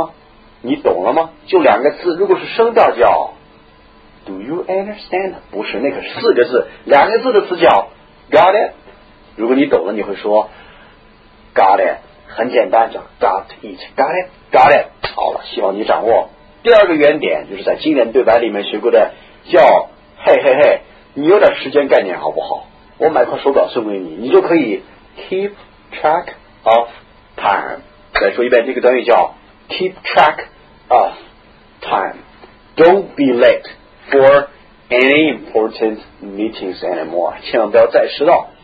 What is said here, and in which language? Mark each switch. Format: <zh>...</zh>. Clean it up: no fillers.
<zh>在驴里面，哎，我们慢一点啊，在驴里面我们学了一个德语叫，你听明白了吗？你懂了吗？就两个字，如果是声调叫 ，</zh> <en>Do you understand？</en> <zh>不是那个四个字，两个字的词叫 ，Got it？如果你懂了，你会说 ，Got it？很简单，叫 Got it，Got it，Got it。好了，希望你掌握。第二个原点就是在经典对白里面学过的叫，叫 嘿嘿嘿，你有点时间概念好不好？我买块手表送给你，你就可以 keep track of time. 再说一遍，这个短语叫 keep track of time.</zh> <en>Don't be late for any important meetings anymore.</en>